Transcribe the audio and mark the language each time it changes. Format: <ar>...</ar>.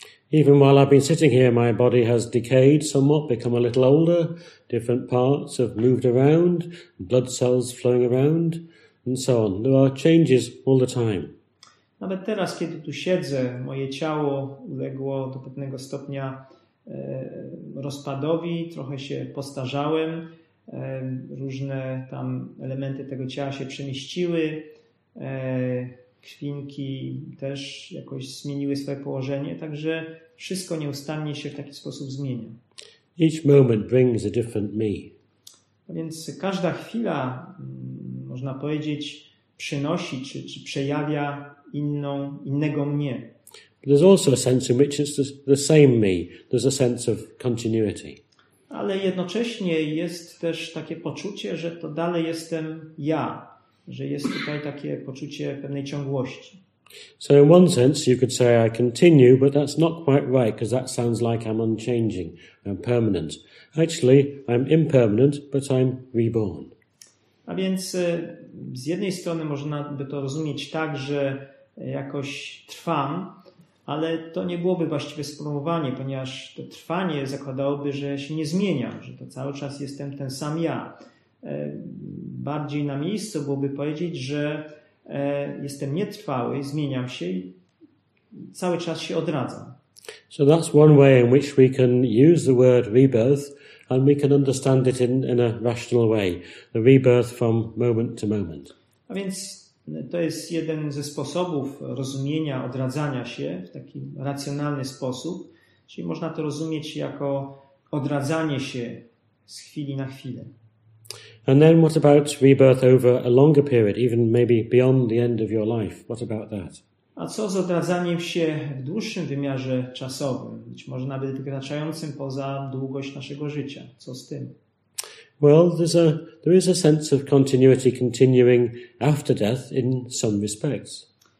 <en>Even while I've been sitting here, my body has decayed somewhat, become a little older, different parts have moved around, blood cells flowing around, and so on. There are changes all the time.</en> <pl>Nawet teraz, kiedy tu siedzę, moje ciało uległo do pewnego stopnia rozpadowi, trochę się postarzałem, różne tam elementy tego ciała się przemieściły, krwinki też jakoś zmieniły swoje położenie, także wszystko nieustannie się w taki sposób zmienia.</pl> <en>Each moment brings a different me.</en> <pl>A więc każda chwila, można powiedzieć, przynosi czy przejawia innego mnie.</pl> <en>But there's also a sense in which it's the same me. There's a sense of continuity.</en> <pl>Ale jednocześnie jest też takie poczucie, że to dalej jestem ja. Że jest tutaj takie poczucie pewnej ciągłości.</pl> <en>So in one sense you could say I continue, but that's not quite right because that sounds like I'm unchanging, I'm permanent. Actually, I'm impermanent, but I'm reborn.</en> <pl>A więc z jednej strony można by to rozumieć tak, że jakoś trwam, ale to nie byłoby właściwe sformułowanie, ponieważ to trwanie zakładałoby, że się nie zmienia, że to cały czas jestem ten sam ja. Bardziej na miejscu byłoby powiedzieć, że jestem nietrwały, zmieniam się i cały czas się odradzam.</pl> <en>So that's one way in which we can use the word rebirth and we can understand it in a rational way. The rebirth from moment to moment.</en> <pl>A więc to jest jeden ze sposobów rozumienia odradzania się w taki racjonalny sposób. Czyli można to rozumieć jako odradzanie się z chwili na chwilę.</pl> <en>And then what about rebirth over a longer period, even maybe beyond the end of your life? What about that?</en> <pl>A co z odradzaniem się w dłuższym wymiarze czasowym, być może nawet wykraczającym poza długość naszego życia? Co z tym?</pl> <en>Well, there is a sense of continuity continuing after death in some respects.</en>